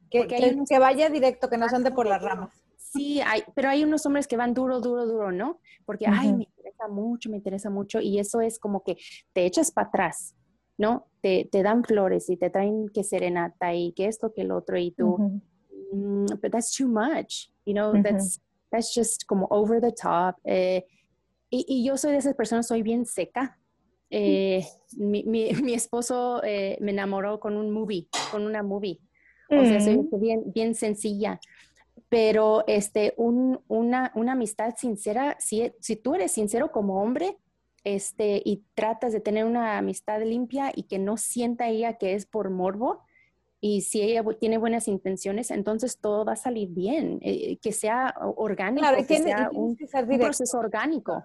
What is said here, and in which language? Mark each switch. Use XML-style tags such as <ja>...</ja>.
<es>que vaya directo, que no se ande por las ramas. Sí, hay, pero hay unos hombres que van duro, duro, duro, ¿no? Porque, uh-huh. ay, me interesa mucho, me interesa mucho. Y eso es como que te echas para atrás, ¿no? Te dan flores y te traen que serenata y que esto, que el otro. Y tú,</es> <en>but that's too much, you know, that's just como over the top.</en> <es>Y yo soy de esas personas, soy bien seca. Mi esposo me enamoró con un movie, con una movie. O sea, soy bien, bien sencilla. Pero una amistad sincera, si tú eres sincero como hombre, y tratas de tener una amistad limpia y que no sienta ella que es por morbo, y si ella tiene buenas intenciones, entonces todo va a salir bien, que sea orgánico, claro, que sea un proceso orgánico.</es>